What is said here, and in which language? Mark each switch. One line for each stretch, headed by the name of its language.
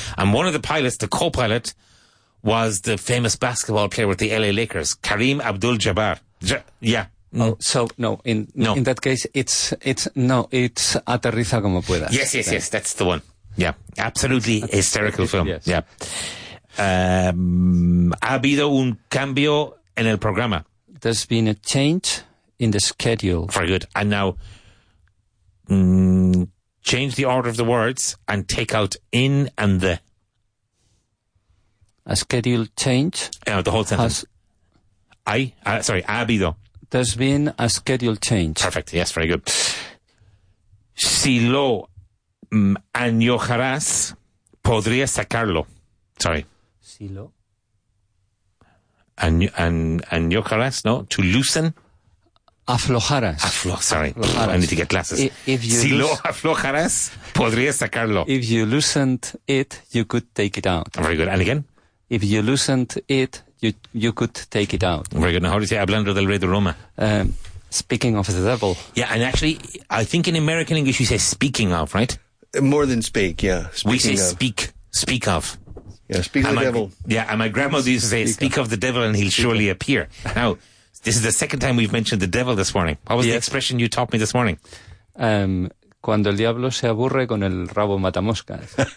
English: And one of the pilots, the co-pilot, was the famous basketball player with the LA Lakers, Kareem Abdul-Jabbar. Yeah. In that case, it's Aterriza Como Puedas. Yes, that's the one. Yeah, absolutely hysterical film. Yes. Yeah.
Spanish: Ha habido un cambio en el programa.
English: There's been a change in the schedule. Very good. And now, change the order of the words and take out in and the. A schedule change? Yeah, the whole sentence.
Spanish: Ha habido.
English: There's been a schedule change. Perfect. Yes, very good.
Spanish: Si lo añojarás, podría sacarlo.
English: Sorry.
Spanish: Si lo. Añojarás, no?
English: To loosen?
Spanish: Aflojarás.
English: Aflojarás. I need to get glasses.
Spanish: Si lo aflojarás, podría sacarlo.
English: If you loosened it, you could take it out. Very good. And again? If you loosened it, you could take it out. Very good. Now, how do you say
Spanish: hablando del rey de Roma?
English: Speaking of the devil. Yeah, and actually, I think in American English you say speaking of, right? More than speak, yeah. We say speak of. Yeah, speak of the devil. Yeah, and my grandmother used to say, speak of the devil and he'll surely appear. Now, this is the second time we've mentioned the devil this morning. What was the expression you taught me this morning?
Spanish: Cuando el diablo se aburre con el rabo mata moscas.